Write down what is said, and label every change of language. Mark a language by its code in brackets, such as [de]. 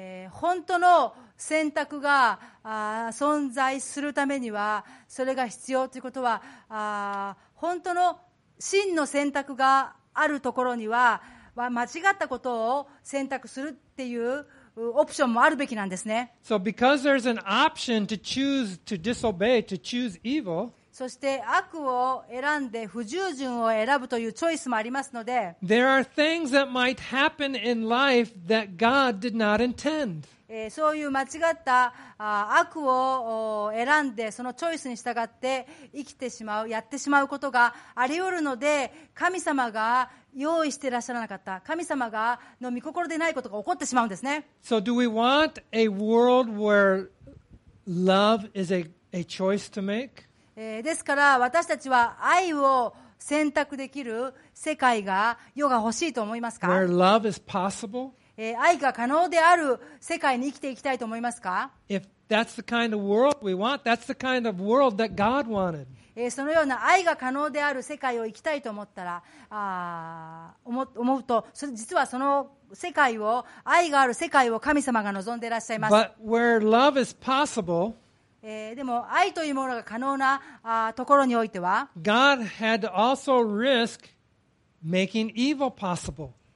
[ja] 本当の選択が存在するためにはそれが必要ということは本当の真の選択があるところには間違ったことを選択するっていうオプションもあるべきなんですね。 [en] So because there's an option to choose to disobey, to choose evil, [ja] そして悪を選んで不従順を選ぶというチョイスもありますので、 [en] there are things that might happen in life that God did not intend. [ja] そういう間違った悪を選んでそのチョイスに従って生きてしまうやってしまうことがあり得るので神様が用意していらっしゃらなかった神様がの御心でないことが起こってしまうんですね。 [en] So do we want a world where love is a choice to make? [ja] ですから私たちは愛を選択できる世界が世が欲しいと思いますか? [en] Where love is possible? [ja] 愛が可能である世界に生きていきたいと思いますか? [en] If that's the kind of world we want, that's the kind of world that God wanted. [ja] そのような愛が可能である世界を生きたいと思ったら、思うと、実はその世界を、愛がある世界を神様が望んでいらっしゃいます。 [en] But where love is possible, [ja] でも愛というものが可能なところにおいては [en] God had also risked making evil possible.